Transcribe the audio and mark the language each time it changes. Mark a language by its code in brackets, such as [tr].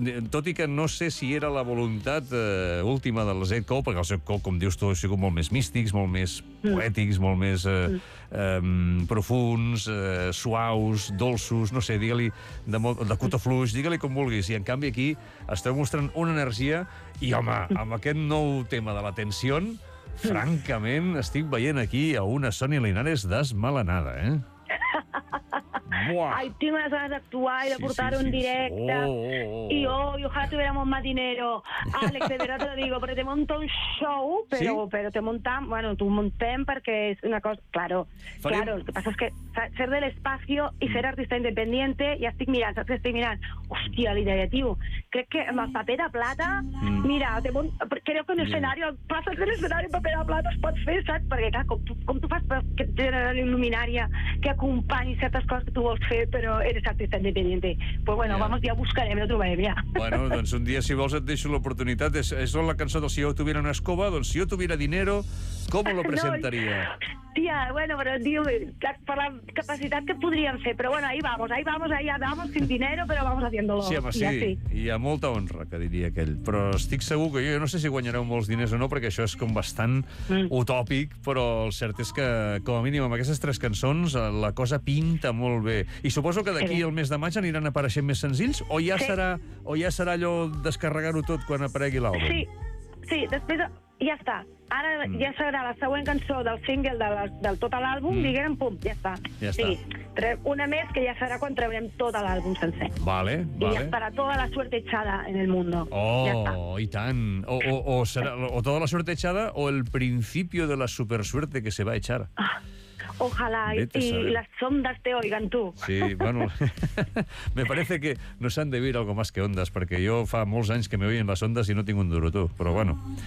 [ca] Tot i que no sé si era la voluntat última de les Ed Cole, perquè els Ed Cole, com dius tu, han sigut molt més místics, molt més poètics, molt més profuns, suaus, dolços, no sé, digue-li de cutafluix, digue-li com vulguis. I en canvi aquí esteu mostrant una energia i, home, amb aquest nou tema de la tensió, francament, estic veient aquí a una Sonia Linares desmelenada, eh? Ai, tinc unes ganes d'actuar i de portar-ho en directe. [es] I ojalá tuviéramos más dinero. Àlex, de verdad te lo digo, porque te monto un show, pero te montam... [ca] Bueno, tu montem perquè és una cosa... [es] Claro, lo que pasa es que ser del espacio y ser artista independiente, [ca] ja estic mirant, saps que estic mirant? Hòstia, l'idea, tio. Crec que amb el paper de plata... [es] Mira, creo que un escenario... [ca] Passa que un escenario en paper de plata es pot fer, saps? Perquè, clar, com tu fas per generar una luminària que acompanyi certes coses que tu vols fer, però [es] eres artista independiente. Pues bueno, vamos, ya buscarem, ya trobarem, ja. [ca] Bueno, doncs un dia, si vols, et deixo l'oportunitat. És la cançó del Si jo tuviera una escoba, doncs [es] si jo tuviera dinero, [ca] com lo presentaria? Tia, bueno, però diu-me, per la capacitat que podríem fer, però bueno, [es] ahí vamos, sin dinero, pero vamos haciéndolo. [ca] Sí, home, sí, hi ha molta honra, que diria aquell, però estic segur que jo no sé si guanyareu molts diners o no, perquè això és com bastant utòpic, però el cert és que, com a mínim, amb aquestes tres cançons, la cosa pinta molt bé. I suposo que d'aquí al mes de maig aniran apareixent més senzills, o ja serà allò descarregar-ho tot quan aparegui l'àlbum? Sí, després ja està. Ara ja serà la següent cançó del single del tot l'àlbum, diguem, pum, ja està. Ja està. Sí, una més que ja serà quan treurem tot l'àlbum sencer. Vale. I ja estarà [es] toda la suerte echada en el mundo. I tant. O serà o toda la suerte echada o el principio de la supersuerte que se va a echar. Ojalá, y las ondas te oigan tú. Sí, bueno, me parece que nos han de oír algo más que ondas, porque yo [ca] fa molts anys que [es] me oyen las ondas y no tengo un duro tú, pero bueno.